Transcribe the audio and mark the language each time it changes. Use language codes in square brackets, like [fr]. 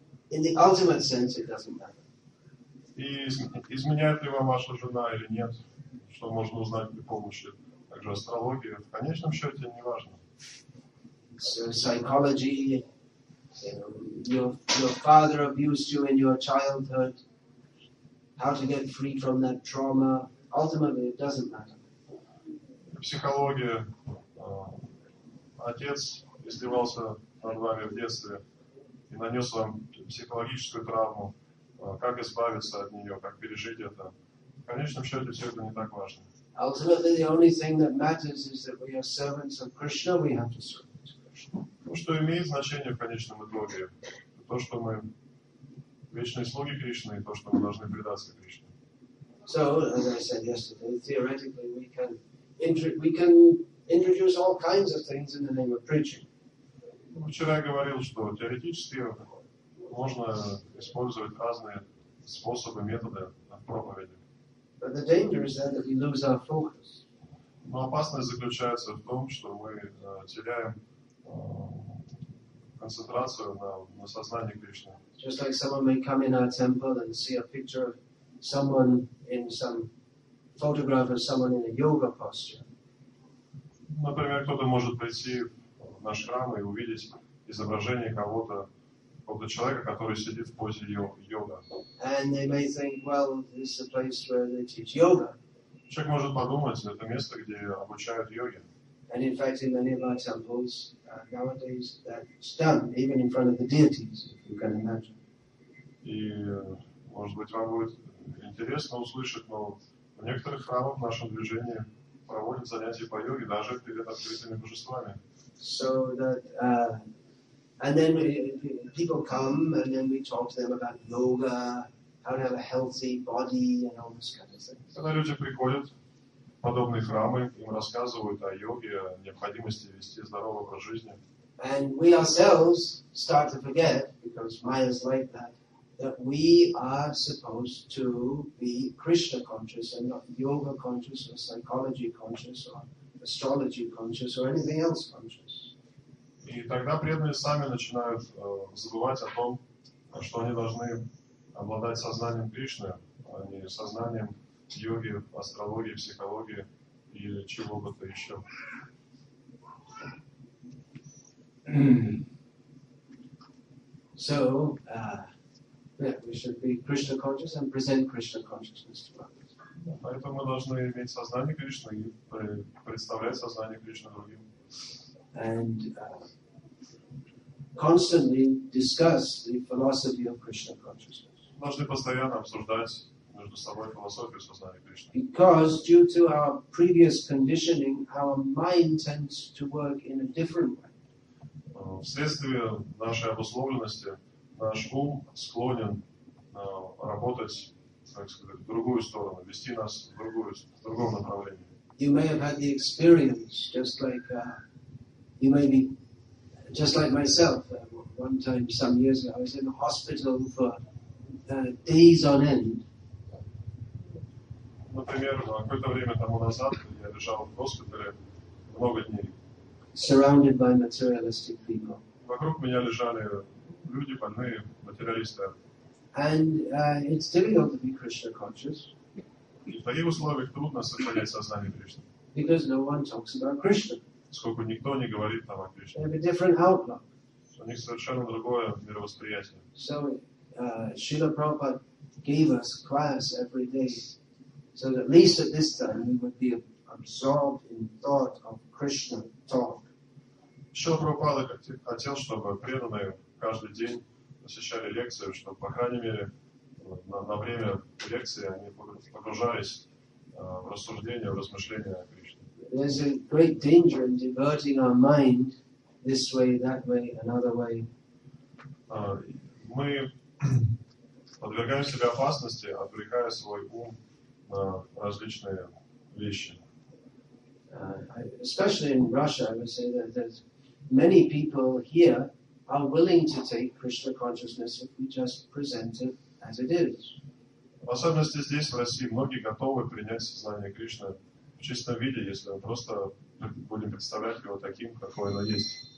[en] In the ultimate sense, it doesn't matter. [ru] И изменяет ли вам ваша жена или нет, что можно узнать при помощи также астрологии, в конечном счете не важно. [en] So psychology, you know, your father abused you in your childhood, how to get free from that trauma, ultimately it doesn't matter. [ru] Психология. Отец издевался над вами в детстве и нанес вам психологическую травму. Как избавиться от нее, как пережить это? В конечном счете, все это не так важно. [en] Ultimately, the only thing that matters is that we are servants of Krishna, we have to serve Krishna. [ru] Ну, что имеет значение в конечном итоге, то, что мы вечные слуги Кришны, и то, что мы должны предаться Кришне. [en] So, as I said yesterday, theoretically, we can introduce all kinds of things in the name of preaching. [ru] Вчера я говорил, что теоретически можно использовать разные способы, методы проповеди. [en] But the danger is that we lose our focus. [ru] Но опасность заключается в том, что мы теряем концентрацию на сознании Кришны. [en] Just like someone may come in our temple and see a picture of someone in some photograph of someone in a yoga posture. [ru] Например, кто-то может прийти в наш храм и увидеть изображение кого-то, какого-то человека, который сидит в позе йога. [en] And they may think, well, this is a place where they teach yoga. [ru] Человек может подумать, это место, где обучают йоге. [en] And in fact, in many of our temples nowadays, that's done, even in front of the deities, if you can imagine. [ru] И, может быть, вам будет интересно услышать, но в некоторых храмах в нашем движении проводят занятия по йоге даже перед открытыми божествами. [en] So that, and then people come, and then we talk to them about yoga, how to have a healthy body, and all this kind of thing. [ru] Когда люди приходят в подобные храмы, им рассказывают о йоге, о необходимости вести здоровый образ жизни. [en] And we ourselves start to forget, because Maya's like that, that we are supposed to be Krishna conscious and not yoga conscious or psychology conscious or astrology conscious or anything else conscious. [ru] И тогда преданные сами начинают забывать о том, что они должны обладать сознанием Кришны, а не сознанием йоги, астрологии, психологии или чего бы то еще. [en] So, yeah, we should be Krishna conscious and present Krishna consciousness to others. [ru] Поэтому мы должны иметь сознание Кришны и представлять сознание Кришны другим. [en] And constantly discuss the philosophy of Krishna consciousness. [ru] Мы должны постоянно обсуждать между собой философию сознания Кришны. [en] Because due to our previous conditioning, our mind tends to work in a different way. [ru] Вследствие нашей обусловленности наш ум склонен работать, так сказать, в другую сторону, вести нас в другом направлении. [en] You may have had the experience, just like myself. One time, some years ago, I was in the hospital for days on end. [ru] Например, какое-то время тому назад я лежал в госпитале много дней. [en] Surrounded by materialistic people. [ru] Вокруг меня лежали люди, больные, материалисты. [en] And it's difficult to be Krishna conscious. [ru] И в таких условиях трудно сохранять сознание Кришны. [en] Because no one talks about Krishna. [ru] Сколько никто не говорит там о Кришне. [en] They have a different outlook. [ru] У них совершенно другое мировосприятие. [en] So Srila Prabhupada gave us class every day, so that at least at this time we would be absorbed in thought of Krishna talk. [ru] Srila Prabhupada хотел, чтобы преданные каждый день посещали лекцию, чтобы, по крайней мере, на время лекции они погружались в рассуждения, в размышления о Кришне. [en] There's a great danger in diverting our mind this way, that way, another way. [ru] Мы подвергаем себя опасности, отвлекая свой ум на различные вещи. [en] Especially in Russia, I would say that there's many people here are willing to take Krishna consciousness if we just present it as it is. [ru] В особенности здесь, в России, многие готовы принять сознание Кришны в чистом виде, если мы просто будем представлять его таким, какой оно есть.